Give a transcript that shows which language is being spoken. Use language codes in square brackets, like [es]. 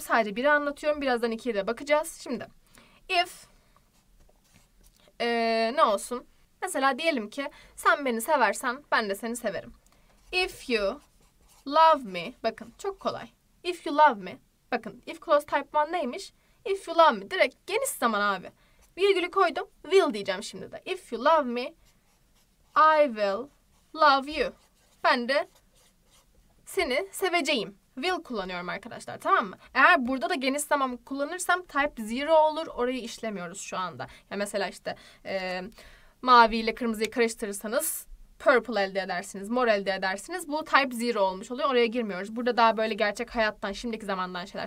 [tr] Sadece biri anlatıyorum. Birazdan ikiye de bakacağız. Şimdi if ne olsun? Mesela diyelim ki sen beni seversen ben de seni severim. [en] If you love me. [tr] Bakın çok kolay. If you love me. Bakın if clause type 1 neymiş? [en] If you love me. [tr] Direkt geniş zaman abi. Virgülü koydum. Will diyeceğim şimdi de. [en] If you love me, I will love you. [tr] Ben de seni seveceğim. Will kullanıyorum arkadaşlar, tamam mı? Eğer burada da geniş zaman kullanırsam type 0 olur. Orayı işlemiyoruz şu anda. Ya mesela işte mavi ile kırmızıyı karıştırırsanız purple elde edersiniz, mor elde edersiniz. Bu type 0 olmuş oluyor. Oraya girmiyoruz. Burada daha böyle gerçek hayattan, şimdiki zamandan şeyler.